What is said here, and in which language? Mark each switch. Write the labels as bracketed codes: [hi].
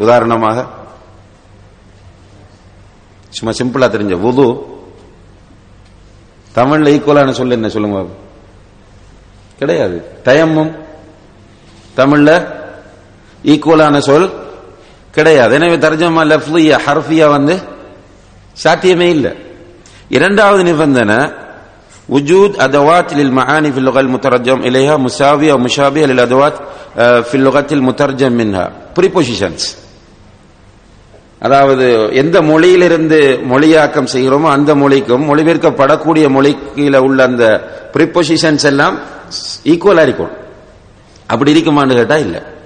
[ta] உதாரணமாக சும்மா சிம்பிளா தெரிஞ்ச வுது தமிழ்ல ஈக்குவலான சொல் என்ன சொல்லுங்க? கிடையாது. தயம்மும் தமிழ்ல ஈக்குவலான சொல் கிடையாது. எனவே தர்ஜமா லஃப்லியா ஹர்ஃபியா வந்து சாத்தியமே இல்லை. இரண்டாவது நிபந்தனை [ar] وجود أدوات للمعاني في اللغة المترجم إليها مساوية أو مشابهة للأدوات في اللغة المترجم منها. [en] prepositions. [ta] அதாவது எந்த மொழியிலிருந்து மொழியாக்கம் செய்கிறோமோ அந்த மொழிக்கும் மொழிபெயர்க்கப்படக்கூடிய மொழிக்கையில் உள்ள அந்த ப்ரிபொசிஷன்ஸ் எல்லாம் ஈக்குவலாக இருக்கும். அப்படி இருக்குமான்னு கேட்டால் இல்லை.